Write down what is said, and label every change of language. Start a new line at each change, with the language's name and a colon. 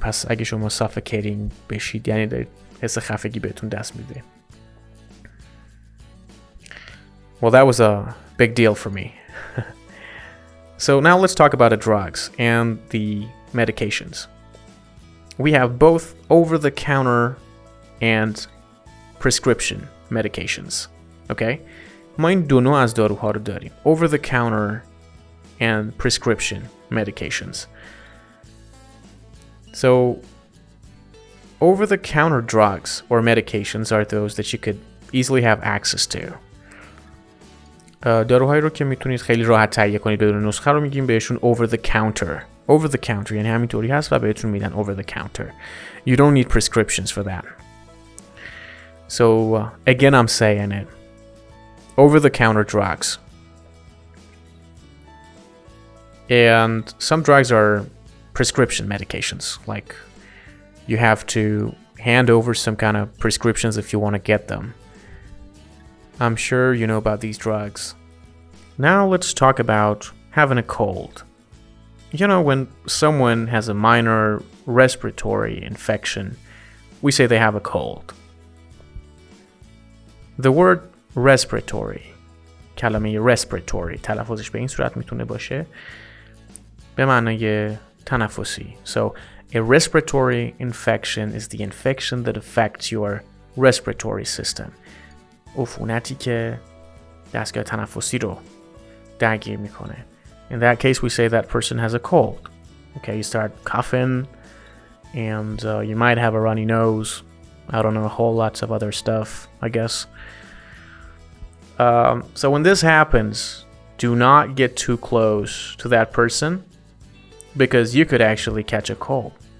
Persian: پس اگه شما suffocating بشید یعنی حس خفگی بهتون دست میده.
English: Well, that was a big deal for me. So now let's talk about the drugs and the medications. We have both over-the-counter and prescription medications. Okay?
Persian: ما این دو نوع از داروها رو داریم.
English: Over-the-counter and prescription medications. So, over-the-counter drugs or medications are those that you could easily have access to.
Persian: داروهایی رو که میتونید خیلی راحت تهیه کنید بدون نسخه رو میگیم بهشون over the counter
English: over the counter
Persian: یعنی همینطوری هست و بهتون میدن
English: over the counter. You don't need prescriptions for that. So again I'm saying it. Over the counter drugs. And some drugs are prescription medications. Like you have to hand over some kind of prescriptions if you want to get them. I'm sure you know about these drugs. Now let's talk about having a cold. You know, when someone has a minor respiratory infection, we say they have a cold. The word respiratory,
Persian: کلمه respiratory, تلفظش به این صورت میتونه باشه به معنی تنفسی.
English: So, a respiratory infection is the infection that affects your respiratory system.
Persian: عفونتی که دستگاه تنفسی رو درگیر میکنه.
English: In that case, we say that person has a cold. Okay, you start coughing and you might have a runny nose. I don't know, a whole lots of other stuff, I guess. So when this happens, do not get too close to that person because you could actually catch a cold.